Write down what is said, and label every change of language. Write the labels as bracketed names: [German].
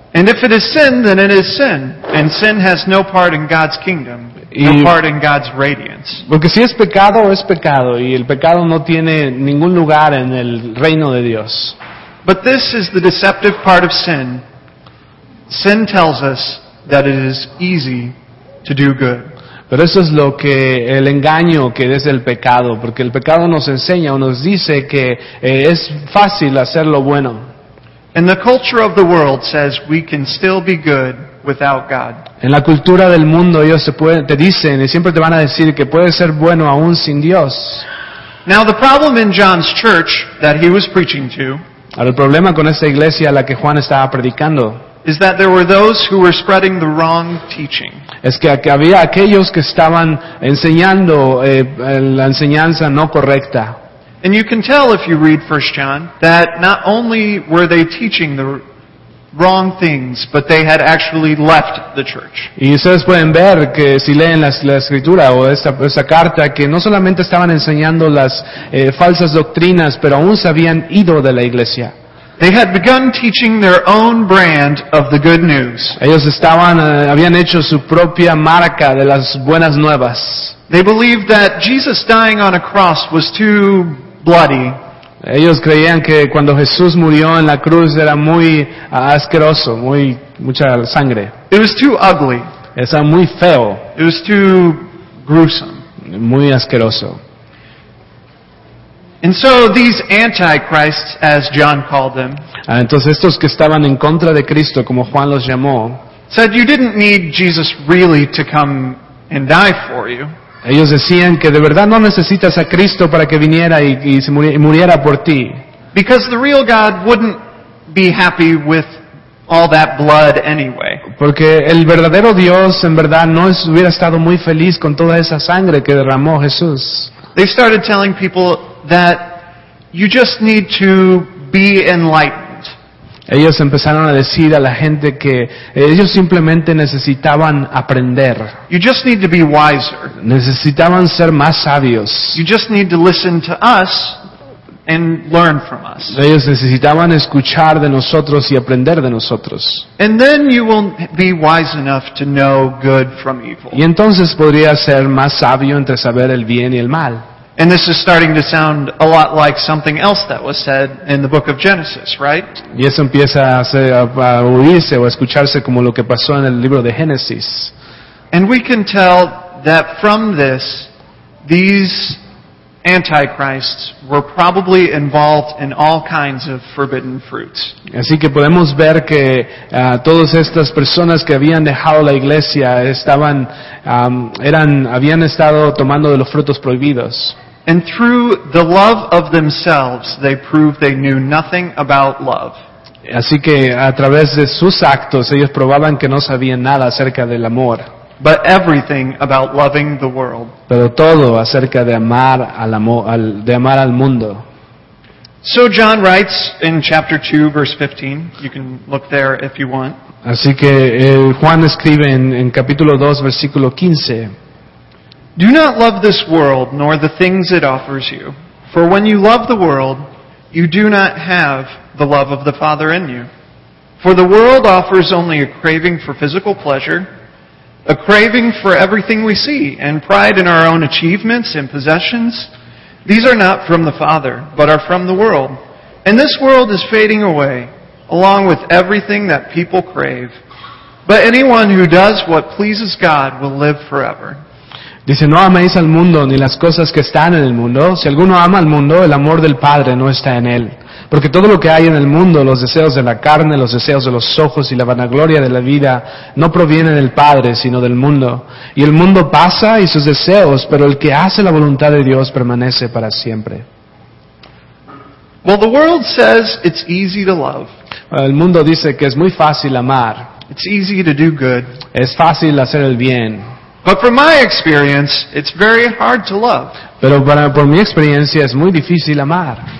[English] And if it is sin, then it is sin, and sin has no part in God's kingdom, no part in God's radiance. [Spanish] Porque si es pecado, es pecado, y el pecado no tiene ningún lugar en el reino de Dios. [English] But this is the deceptive part of sin. Sin tells us that it is easy to do good. [Spanish] Pero eso es lo que el engaño que es el pecado, porque el pecado nos enseña o nos dice que es fácil hacer lo bueno. [English] And the culture of the world says we can still be good without God. [Spanish] En la cultura del mundo ellos te dicen y siempre te van a decir que puedes ser bueno aún sin Dios. [English] Now the problem in John's church that he was preaching to. [Spanish] El problema con esa iglesia a la que Juan estaba predicando. [English] Is that there were those who were spreading the wrong teaching. [Spanish] Es que había aquellos que estaban enseñando la enseñanza no correcta. [English] And you can tell if you read 1 John that not only were they teaching the wrong things, but they had actually left the church. [Spanish] Y ustedes pueden ver que si leen la escritura o esa carta, que no solamente estaban enseñando las falsas doctrinas, pero aún se habían ido de la iglesia. [English] They had begun teaching their own brand of the good news. [Spanish] Ellos habían hecho su propia marca de las buenas nuevas. [English] They believed that Jesus dying on a cross was too bloody. [Spanish] Ellos creían que cuando Jesús murió en la cruz era muy asqueroso, mucha sangre. [English] It was too ugly. [Spanish] Era muy feo. [English] It was too gruesome. [Spanish] Muy asqueroso. [English] And so these antichrists, as John called them, [Spanish] entonces estos que estaban en contra de Cristo, como Juan los llamó, [English] said you didn't need Jesus really to come and die for you. [Spanish] Ellos decían que de verdad no necesitas a Cristo para que viniera y muriera por ti. [English] Because the real God wouldn't be happy with all that blood anyway. [Spanish] Porque el verdadero Dios en verdad no hubiera estado muy feliz con toda esa sangre que derramó Jesús. [English] They started telling people that you just need to be enlightened. [Spanish] Ellos empezaron a decir a la gente que ellos simplemente necesitaban aprender. [English] You just need to be wiser. [Spanish] Necesitaban ser más sabios. [English] You just need to listen to us and learn from us. [Spanish] Ellos necesitaban escuchar de nosotros y aprender de nosotros. [English] And then you will be wise enough to know good from evil. [Spanish] Y entonces podría ser más sabio entre saber el bien y el mal. [English] And this is starting to sound a lot like something else that was said in the book of Genesis, right? [Spanish] Y eso empieza a oírse o a escucharse como lo que pasó en el libro de Génesis. [English] And we can tell that from this, these antichrists were probably involved in all kinds of forbidden fruits. [Spanish] Así que podemos ver que todas estas personas que habían dejado la iglesia habían estado tomando de los frutos prohibidos. [English] And through the love of themselves, they proved they knew nothing about love. [Spanish] Así que a través de sus actos, ellos probaban que no sabían nada acerca del amor. [English] But everything about loving the world. [Spanish] Pero todo acerca de amar al mundo. [English] So John writes in chapter 2, verse 15. You can look there if you want. [Spanish] Así que Juan escribe en capítulo 2, versículo 15. [English] Do not love this world nor the things it offers you. For when you love the world, you do not have the love of the Father in you. For the world offers only a craving for physical pleasure, a craving for everything we see, and pride in our own achievements and possessions. These are not from the Father, but are from the world. And this world is fading away, along with everything that people crave. But anyone who does what pleases God will live forever. [Spanish] Dice, no améis al mundo ni las cosas que están en el mundo. Si alguno ama al mundo, el amor del Padre no está en él. Porque todo lo que hay en el mundo, los deseos de la carne, los deseos de los ojos y la vanagloria de la vida, no proviene del Padre, sino del mundo. Y el mundo pasa y sus deseos, pero el que hace la voluntad de Dios permanece para siempre. [English] Well, the world says it's easy to love. [Spanish] El mundo dice que es muy fácil amar. [English] It's easy to do good. [Spanish] Es fácil hacer el bien. [English] But from my experience, it's very hard to love. [Spanish] Pero por mi experiencia es muy difícil amar.